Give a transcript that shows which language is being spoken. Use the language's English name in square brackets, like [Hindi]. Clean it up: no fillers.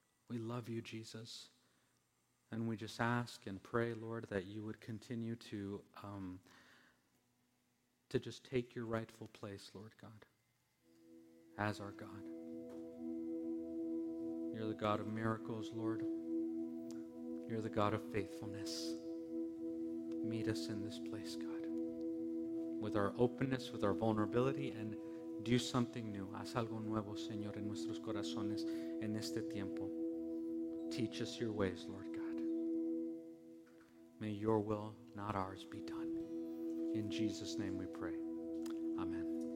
[English] We love you, Jesus, and we just ask and pray, Lord, that you would continue to just take your rightful place, Lord God, as our God. You're the God of miracles, Lord. You're the God of faithfulness. Meet us in this place, God, with our openness, with our vulnerability, and do something new. [Spanish] Haz algo nuevo, Señor, en nuestros corazones en este tiempo. [English] Teach us your ways, Lord God. May your will, not ours, be done. In Jesus' name we pray. Amen.